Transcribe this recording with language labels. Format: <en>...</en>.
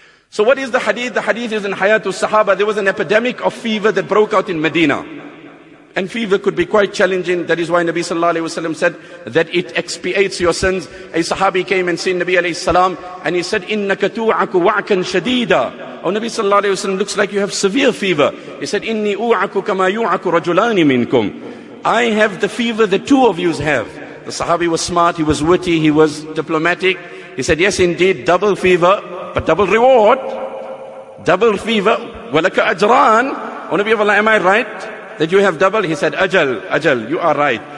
<en>So what is the hadith? The hadith is in Hayatul Sahaba. There was an epidemic of fever that broke out in Medina. And fever could be quite challenging. That is why Nabi sallallahu alayhi wa sallam said that it expiates your sins. A sahabi came and seen Nabi alayhi salam and he said,</en> <ar>إِنَّكَ تُوعَكُ وَعْكًا شَدِيدًا.</ar> <en>Oh, Nabi sallallahu alayhi wa sallam, looks like you have severe fever. He said,</en> <ar>إِنِّي أُوعَكُ كَمَا يُوعَكُ رَجُلَانِ مِنْكُمْ.</ar> <en>I have the fever that two of you have. The sahabi was smart, he was witty, he was diplomatic. He said, yes, indeed, double fever, but double reward. Double fever. Walaka ajran. One of you, am I right that you have double? He said, ajal, ajal, you are right.</en>